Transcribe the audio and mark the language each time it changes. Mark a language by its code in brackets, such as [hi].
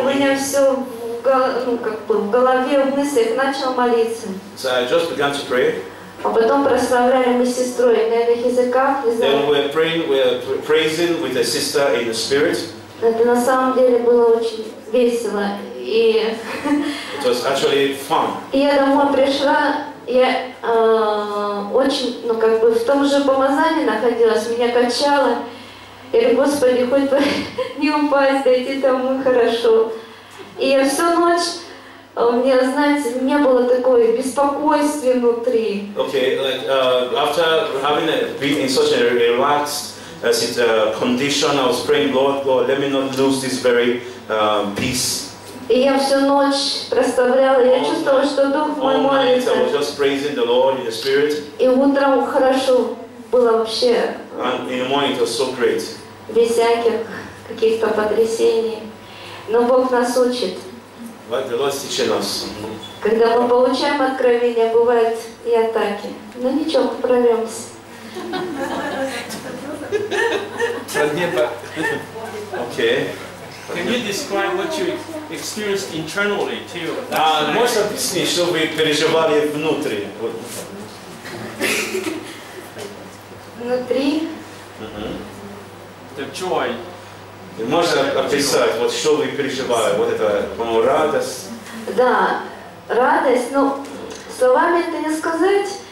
[ru] у меня все в голове, в мыслях начал молиться. [en] So I just began to pray. [ru] А потом прославляли мы с сестрой на этих языках. [en] Then we're praising with a sister in the spirit. [ru] Это на самом деле было очень весело. И [en] it was actually fun. [ru] Я домой пришла, я очень, ну как бы в том же помазании находилась, меня качало. Я говорю, Господи, хоть бы не упасть, дойти домой хорошо. И я всю ночь, у меня, знаете, не было такого беспокойства внутри. [en] Okay, like after having been in such a relaxed as it condition, I was praying, Lord, let me not lose this very peace. [ru] И я всю ночь прославляла, я чувствовала, что Дух мой молится. [en] I was just praising the Lord in the spirit. [ru] И утром хорошо было вообще. [en] And in the morning it was so great. [ru] Без всяких каких-то потрясений. Но Бог нас учит. [en] But the Lord is teaching us. [ru] Когда мы получаем откровения, бывают и атаки. Но ничего, прорвемся. [en] Okay. Can you describe what you experienced internally too? [ru] Можно объяснить, что вы переживали внутри? Внутри? [en] The joy. [ru] Можно описать, вот что вы переживали? Вот это, по-моему, радость? Да, радость, но словами это не сказать.